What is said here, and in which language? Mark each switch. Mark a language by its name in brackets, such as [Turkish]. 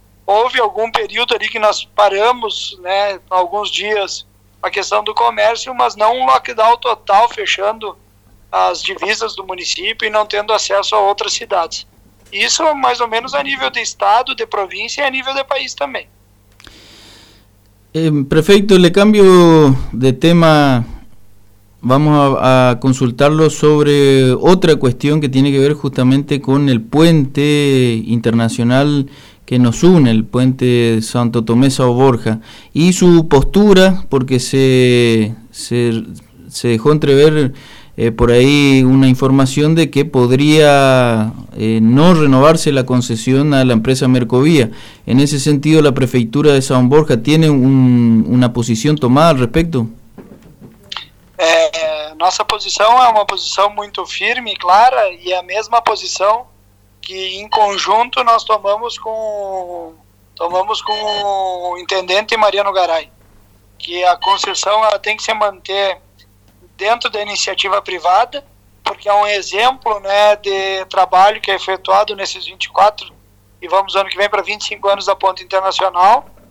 [Portuguese] Houve algum período ali que nós paramos, né, alguns dias, a questão do comércio, mas não um lockdown total, fechando as divisas do município e não tendo acesso a outras cidades. Isso mais ou menos a nível de estado, de província e a nível de país também. [Spanish] Prefeito, le cambio de tema. Vamos a consultarlo sobre otra cuestión que tiene que ver justamente con el puente internacional que nos une, el puente Santo Tomé São Borja, y su postura, porque se dejó entrever por ahí una información de que podría no renovarse la concesión a la empresa Mercovía. En ese sentido, ¿la prefeitura de São Borja tiene una posición tomada al respecto? [Portuguese] Nossa posição é uma posição muito firme e clara, e é a mesma posição que em conjunto nós tomamos com o intendente Mariano Garay, que a concessão ela tem que se manter dentro da iniciativa privada, porque é um exemplo, né, de trabalho que é efetuado nesses 24, e vamos ano que vem para 25 anos da Ponte Internacional.